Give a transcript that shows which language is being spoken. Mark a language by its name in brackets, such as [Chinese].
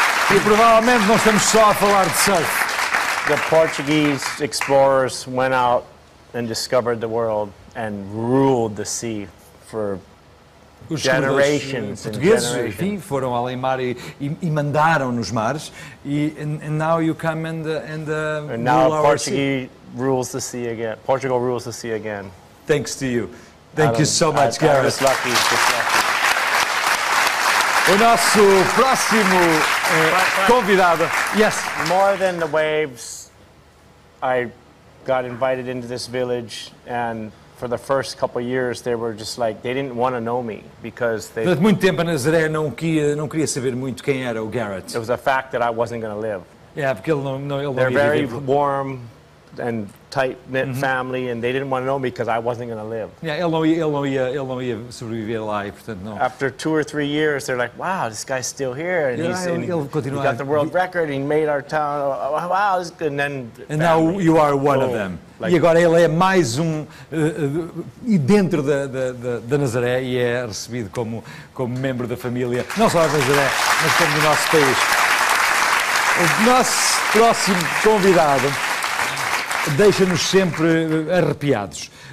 [Portuguese] E provavelmente não estamos só a falar de surf. [English] The Portuguese explorers went out and discovered the world and ruled the sea for [Portuguese] Os generations. Portugueses, enfim, foram além mar e mandaram nos mares. [English] And now you come and now Portugal rules the sea again. Portugal rules the sea again. Thanks to you. Thank you so much, Gareth. I was lucky. [Portuguese] O nosso próximo convidado. Yes. [English] More than the waves, I got invited into this village and. For the first couple of years, they were just like, they didn't want to know me because they... [Portuguese] Durante muito tempo, a Nazaré não queria saber muito quem era o Garrett. [English] It was a fact that I wasn't going to live. [Portuguese] Yeah, porque ele não ia viver. [English] They're very warm and tight-knit mm-hmm. family, and they didn't want to know me because I wasn't going to live. [Portuguese] Yeah, ele não ia sobreviver lá, e, portanto, não. [English] After two or three years, they're like, wow, this guy's still here. And yeah, he got the world record, he made our town, wow, this good. And then... And family. Now you are one of them. [Portuguese] Like, e agora ele é mais um dentro da Nazaré e é recebido como membro da família, não só da Nazaré, mas como do nosso país. O nosso próximo convidado deixa-nos sempre arrepiados.